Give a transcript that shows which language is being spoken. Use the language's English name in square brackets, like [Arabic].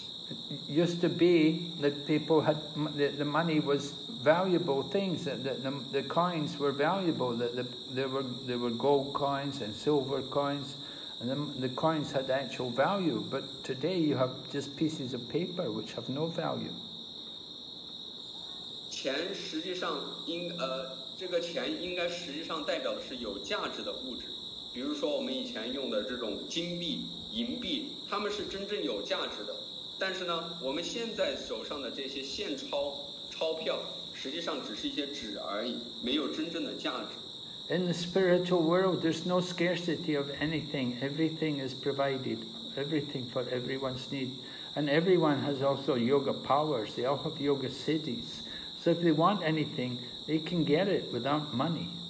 [English] It used to be that people had the money was valuable things, that the coins were valuable, that there were gold coins and silver coins, and the coins had actual value. But today you have just pieces of paper which have no value. [Chinese] 钱实际上应该代表的是有价值的物质。比如说我们以前用的这种金币、银币，它们是真正有价值的。但是呢，我们现在手上的这些现钞、钞票，实际上只是一些纸而已，没有真正的价值。 [English] In the spiritual world, there's no scarcity of anything. Everything is provided, everything for everyone's need. And everyone has also yoga powers, they all have yoga siddhis. So if they want anything, they can get it without money.